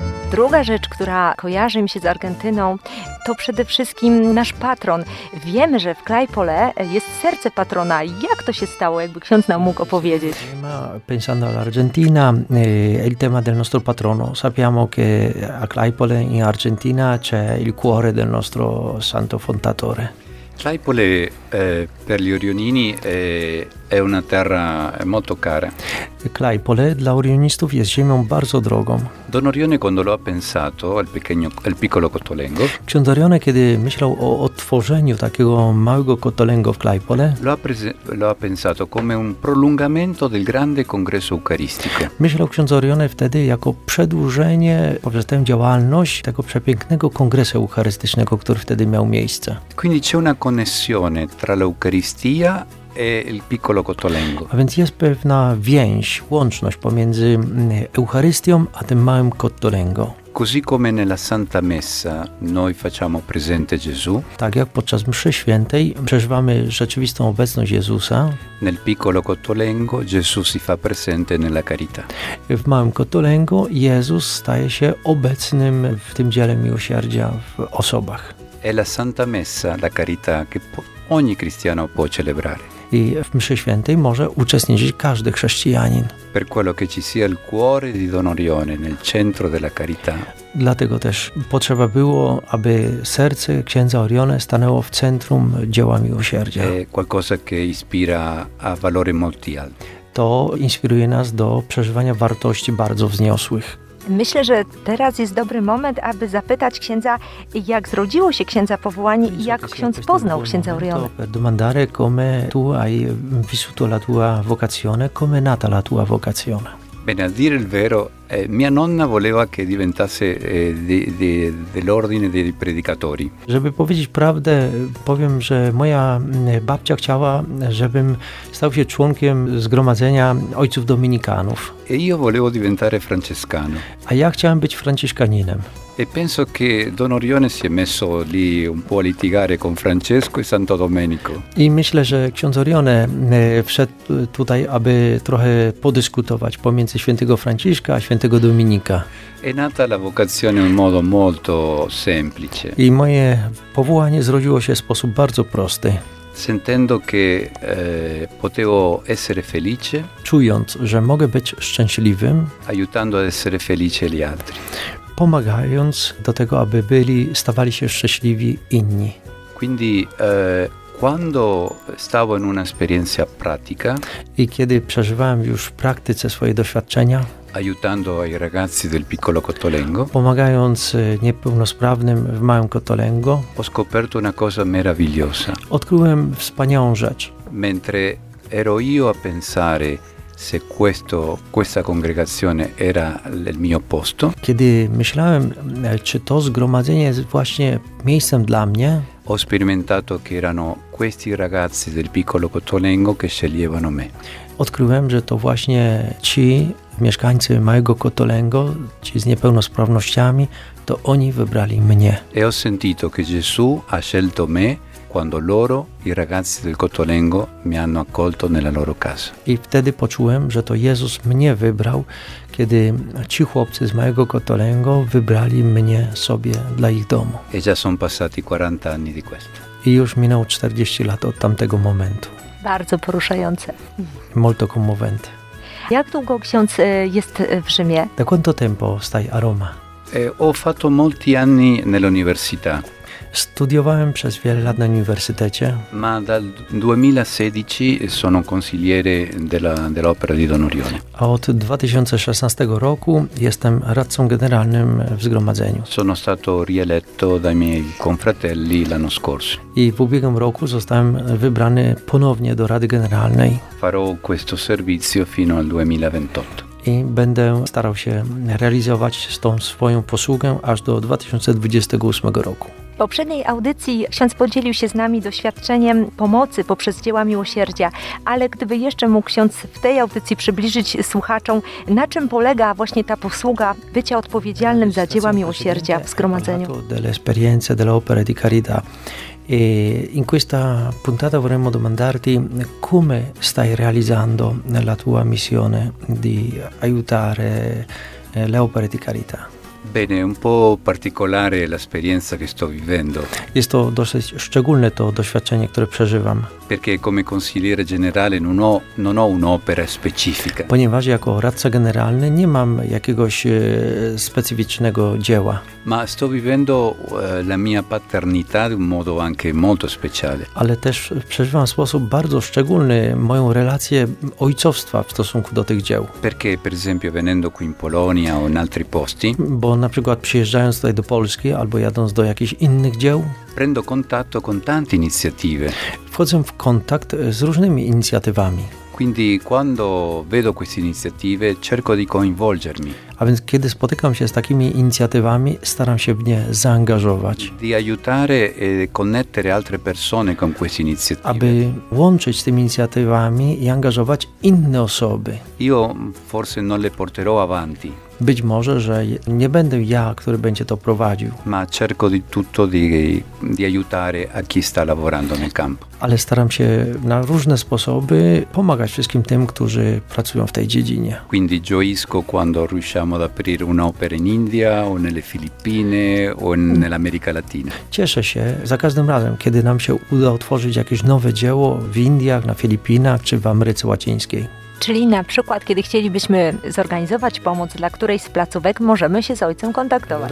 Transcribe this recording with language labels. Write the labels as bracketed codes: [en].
[pl] Druga rzecz, która kojarzy mi się z Argentyną, to przede wszystkim nasz patron. Wiemy, że w Claypole jest serce patrona. Jak to się stało, jakby ksiądz nam mógł opowiedzieć? [it] Pensando all'Argentina, il tema del nostro patrono. Sappiamo che a Claypole in Argentina c'è il cuore del nostro santo fondatore. Trapoli per gli orionini è una terra molto cara. [pl] Trapoli dla orionistów jest ziemią bardzo drogą. [it] Don Orione, quando lo ha pensato, il piccolo Cottolengo, [pl] ksiądz Orione, kiedy myślał o odtworzeniu takiego małego Cottolengo w Trapoli, [it] lo ha pensato come un prolungamento del grande congresso eucaristico. [pl] Myślał ksiądz Orione wtedy jako przedłużenie poprzez tę działalność tego przepięknego kongresu eucharystycznego, który wtedy miał miejsce. [it] Quindi c'è una connessione tra l'Eucaristia e il piccolo Cottolengo. [pl] A więc jest pewna więź, łączność pomiędzy Eucharystią a tym małym Cottolengo. [it] Così come nella Santa Messa noi facciamo presente Gesù. [pl] Tak jak podczas mszy świętej przeżywamy rzeczywistą obecność Jezusa. [it] Nel piccolo Cottolengo Gesù si fa presente nella carità. [pl] W małym Cottolengo Jezus staje się obecnym w tym dziele miłosierdzia w osobach. [it] È la Santa Messa, la carità che ogni cristiano può celebrare. [pl] I w mszy świętej może uczestniczyć każdy chrześcijanin. [it] Per quello che ci sia il cuore di Don Orione nel centro della carità. [pl] Dlatego też potrzeba było, aby serce księdza Orione stanęło w centrum dzieła miłosierdzia. [it] È qualcosa che ispira a valori molto alti. [pl] To inspiruje nas do przeżywania wartości bardzo wzniosłych. Myślę, że teraz jest dobry moment, aby zapytać księdza, jak zrodziło się księdza powołanie i jak ksiądz poznał księdza Orione. [it] Per domandare come tu hai vissuto la tua vocazione, come è nata la tua vocazione. Bene, a dire il vero, mia nonna voleva che diventasse dell'ordine dei predicatori. [pl] Żeby powiedzieć prawdę, powiem, że moja babcia chciała, żebym stał się członkiem zgromadzenia ojców dominikanów. [it] E io volevo diventare francescano. [pl] A ja chciałem być franciszkaninem. [it] E penso che Don Orione si è messo lì un po' a litigare con Francesco e Santo Domenico. [pl] I myślę, że ksiądz Orione wszedł tutaj, aby trochę podyskutować pomiędzy świętego Franciszka a świętego Dominika. [it] È nata la vocazione in modo molto semplice. [pl] I moje powołanie zrodziło się w sposób bardzo prosty. [it] Sentendo che potevo essere felice, [pl] czując, że mogę być szczęśliwym, [it] aiutando ad essere felice gli altri. [pl] Pomagając do tego, aby byli, stawali się szczęśliwi inni. [it] Quindi, quando stavo in una esperienza pratica, [pl] i kiedy przeżywałem już w praktyce swoje doświadczenia, [it] aiutando ai ragazzi del piccolo Cottolengo, [pl] pomagając niepełnosprawnym w małym Cottolengo, [it] ho scoperto una cosa meravigliosa. [pl] Odkryłem wspaniałą rzecz. [it] Mentre ero io a pensare se questa congregazione era il mio posto, [pl] kiedy myślałem, czy to zgromadzenie jest właśnie miejscem dla mnie, [it] ho sperimentato che erano questi ragazzi del piccolo Cottolengo che sceglievano me. [pl] Odkryłem, że to właśnie ci mieszkańcy małego Cottolengo, ci z niepełnosprawnościami, to oni wybrali mnie. [it] E ho sentito che Gesù ha scelto me quando loro, i ragazzi del Cottolengo, mi hanno accolto nella loro casa. [pl] I wtedy poczułem, że to Jezus mnie wybrał, kiedy ci chłopcy z małego Cottolengo wybrali mnie sobie dla ich domu. [it] E già sono passati 40 anni di questo. [pl] I już minęło 40 lat od tamtego momentu. Bardzo poruszające. [it] Molto commovente. [pl] Jak długo ksiądz jest w Rzymie? [it] Da quanto tempo stai a Roma? Ho fatto molti anni nell'università. [pl] Studiowałem przez wiele lat na uniwersytecie. [it] Ma dal 2016 sono consigliere dell'opera di Don Orione. [pl] A od 2016 roku jestem radcą generalnym w zgromadzeniu. [it] Sono stato rieletto dai miei confratelli l'anno scorso. [pl] I w ubiegłym roku zostałem wybrany ponownie do Rady Generalnej. [it] Farò questo servizio fino al 2028. [pl] I będę starał się realizować tą swoją posługę aż do 2028 roku. W poprzedniej audycji ksiądz podzielił się z nami doświadczeniem pomocy poprzez dzieła miłosierdzia, ale gdyby jeszcze mógł ksiądz w tej audycji przybliżyć słuchaczom, na czym polega właśnie ta posługa bycia odpowiedzialnym za dzieła miłosierdzia w zgromadzeniu. [it] Dell'esperienza dell'opera di carità. E in questa puntata vorremmo domandarti come stai realizzando la tua missione di aiutare le opere di carità. Bene, un po' particolare l'esperienza che sto vivendo. [pl] Jest to dosyć szczególne to doświadczenie, które przeżywam. [it] Perché come consigliere generale non ho un'opera specifica. [pl] Ponieważ jako radca generalny nie mam jakiegoś specyficznego dzieła. [it] Ma sto vivendo la mia paternità in un modo anche molto speciale. [pl] Ale też przeżywam w sposób bardzo szczególny moją relację ojcostwa w stosunku do tych dzieł. [it] Perché per esempio venendo qui in Polonia o in altri posti. [pl] Bo na przykład przyjeżdżając tutaj do Polski albo jadąc do jakichś innych dzieł. [it] Prendo contatto con tante iniziative. [pl] Wchodzę w kontakt z różnymi inicjatywami. [it] Quindi quando vedo queste iniziative cerco di coinvolgermi. [pl] A więc kiedy spotykam się z takimi inicjatywami, staram się w nie zaangażować. [it] Di aiutare e connettere altre persone con queste iniziative. [pl] Aby łączyć z tymi inicjatywami i angażować inne osoby. [it] Io forse non le porterò avanti. [pl] Być może, że nie będę ja, który będzie to prowadził. [it] Ma cerco di tutto di aiutare a chi sta lavorando nel campo. [pl] Ale staram się na różne sposoby pomagać wszystkim tym, którzy pracują w tej dziedzinie. [it] Quindi gioisco quando riusciamo ad aprire un'opera in India o nelle Filippine o nell'America Latina. [pl] Cieszę się za każdym razem, kiedy nam się uda otworzyć jakieś nowe dzieło w Indiach, na Filipinach czy w Ameryce Łacińskiej. Czyli na przykład, kiedy chcielibyśmy zorganizować pomoc dla której z placówek, możemy się z ojcem kontaktować.